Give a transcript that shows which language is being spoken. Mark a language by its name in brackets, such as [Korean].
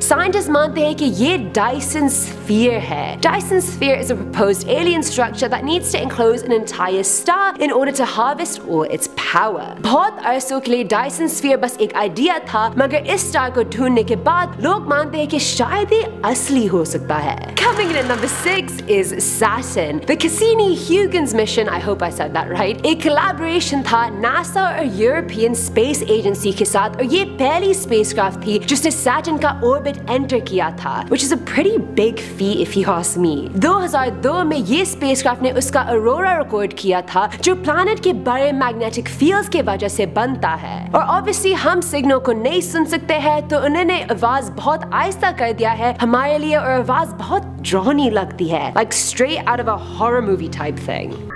[Hindi] Scientist मानते हैं कि ये डायसन स्फीयर है. [English] Dyson sphere is a proposed alien structure that needs to enclose an entire star in order to harvest all its power. KOHAWA. [Hindi] बहुत अरसों के लिए Dyson sphere बस एक आइडिया था, मगर इस स्टार को ढूंढने के बाद लोग मानते हैं कि शायद ये असली हो सकता है. [English] Coming in at number 6 is Saturn. The Cassini-Huygens mission, I hope I said that right, [Hindi] एक collaboration था NASA और European Space Agency के साथ, और ये पहली spacecraft थी जिसने Saturn का orbit enter किया था, [English] which is a pretty big feat if you ask me. [Hindi] 2002 में ये spacecraft ने उसका aurora record किया था, जो planet के बड़े magnetic fields के वजह से बनता है. और obviously हम signal को नहीं सुन सकते हैं, तो उन्होंने आवाज बहुत आहिस्ता कर दिया है हमारे लिए, और आवाज बहुत drawny lagti hai, [English] like straight out of a horror movie type thing.